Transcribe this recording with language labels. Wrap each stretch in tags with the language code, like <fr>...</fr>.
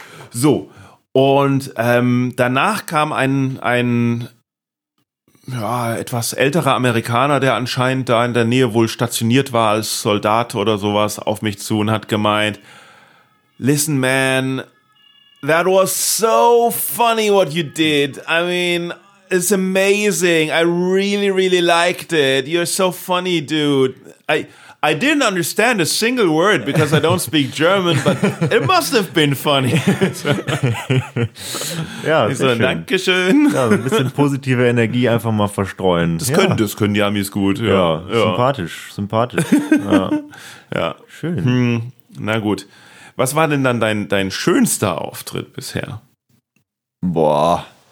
<de>So, und danach kam ein etwas älterer Amerikaner, der anscheinend da in der Nähe wohl stationiert war als Soldat oder sowas, auf mich zu und hat gemeint,</de> <en>listen man, that was so funny what you did, I mean, it's amazing, I really, really liked it, you're so funny dude, I didn't understand a single word because I don't speak German, but it must have been funny.</en> <de>Ja, ich so, schön. Dankeschön. Ja, so ein bisschen positive Energie einfach mal verstreuen. Das können die Amis gut. Ja, ja. Sympathisch. Ja. Schön. Na gut. Was war denn dann dein schönster Auftritt bisher? Boah.</de>